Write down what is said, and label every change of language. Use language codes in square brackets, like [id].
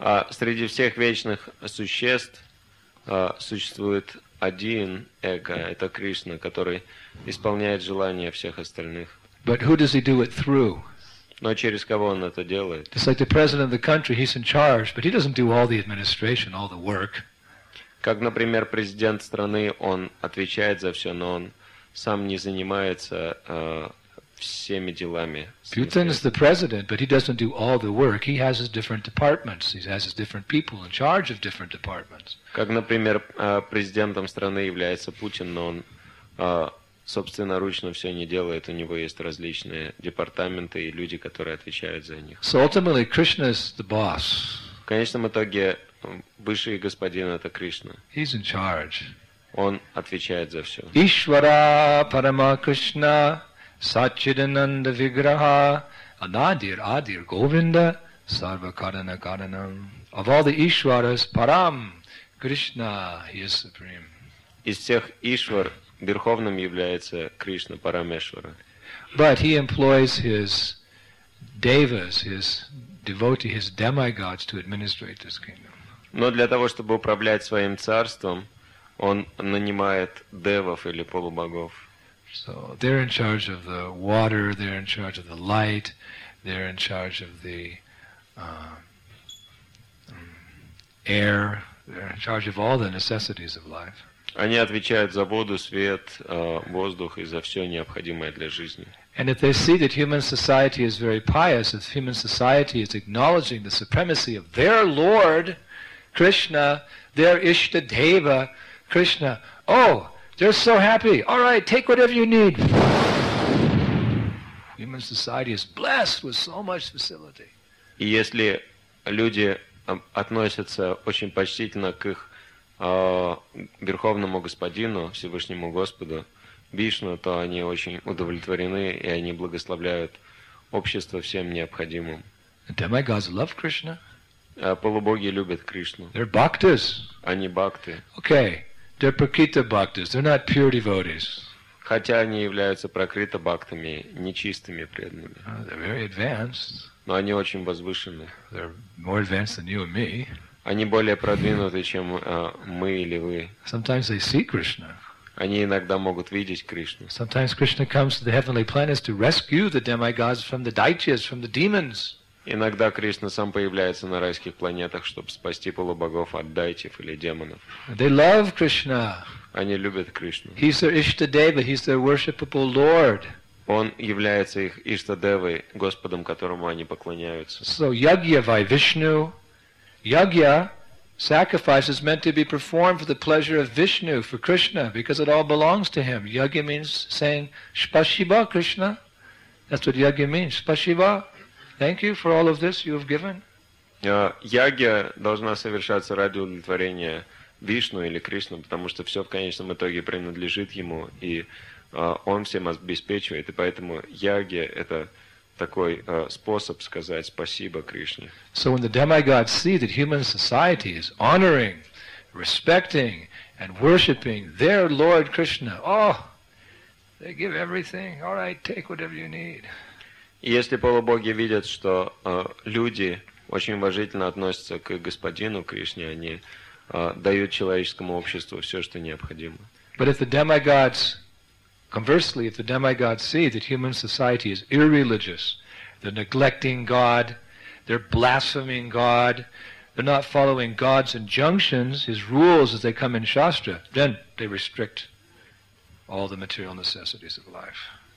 [ru] Среди всех вечных существ существует один эго, это Кришна, который исполняет желания всех остальных. [en] But who does he do it through? [ru] Но через кого он это делает? [en] Just like the president of the country, he's in charge, but he doesn't do all the administration, all the work. [ru] Как, например, президент страны, он отвечает за все, но он сам не занимается всеми делами. [en] Putin is the president, but he doesn't do all the work. He has his different departments. He has his different people in charge of different departments. [ru] Как, например, президентом страны является Путин, но он собственноручно все не делает. У него есть различные департаменты и люди, которые отвечают за них. [en] So ultimately, Krishna is the boss. [ru] В конечном итоге высший господин — это Кришна. [en] He's in charge. [ru] Он отвечает за все. [sa] Ишвара Парама Кришна Сатчидананда Виграха Анадир Адир Говинда Сарвакарана Каранам. [en] Of all the Ишварас, Param Krishna, he is supreme. [ru] Из всех Ишвар верховным является Кришна, Парамешвара. [en] But he employs his devas, his devotees, his demigods to administrate this kingdom. [ru] Но для того, чтобы управлять своим царством, он нанимает девов или полубогов. [en] So they're in charge of the water, they're in charge of the light, they're in charge of the air, they're in charge of all the necessities of life. [ru] Они отвечают за воду, свет, воздух и за все необходимое для жизни. [en] And if they see that human society is very pious, if human society is acknowledging the supremacy of their Lord, Krishna, their Ishtadeva, Krishna, oh, they're so happy. All right, take whatever you need. Human society is blessed with so much facility. [ru] И если люди относятся очень почтительно к их Верховному Господину, Всевышнему Господу, Вишну, то они очень удовлетворены, и они благословляют общество всем необходимым. [en] Demigods love Krishna. [ru] Полубоги любят Кришну. [en] They're bhaktas. [ru] Они бхакты. [en] Okay. They're prakrita bhaktas. They're not pure devotees. [ru] Хотя они являются прокрита бхактами, нечистыми преданными. [en] They're very advanced. [ru] Но они очень возвышены. [en] They're more advanced than you and me. [ru] Они более продвинуты, чем мы или вы. [en] Sometimes they see Krishna. [ru] Они иногда могут видеть Кришну. [en] Sometimes Krishna comes to the heavenly planets to rescue the demigods from the daityas, from the demons. [ru] Иногда Кришна сам появляется на райских планетах, чтобы спасти полубогов от дайтев или демонов. [en] They love Krishna. [ru] Они любят Кришну. [en] He's their Ishtadeva, he's their worshipable Lord. [ru] Он является их Ishtadevой, Господом, которому они поклоняются. [en] So yagya vai Vishnu. Yagya, sacrifice, is meant to be performed for the pleasure of Vishnu, for Krishna, because it all belongs to him. Yagya means saying, Spasiba, Krishna. That's what yagya means. Spasiba. Thank you for all of this you have given. [ru] Ягья должна совершаться ради удовлетворения Вишну или Кришну, потому что все в конечном итоге принадлежит ему, и он всем обеспечивает. И поэтому ягья — это такой способ сказать спасибо Кришне. [en] So when the demigods see that human society is honoring, respecting, and worshipping their Lord Krishna, oh, they give everything. All right, take whatever you need. [ru] Если полубоги видят, что люди очень уважительно относятся к господину Кришне, они дают человеческому обществу все, что необходимо. [en] But if the demigods, conversely, if the demigods see that human society is irreligious, they're neglecting God, they're blaspheming God, they're not following God's injunctions, his rules as they come in Shastra, then they restrict all the material necessities of life.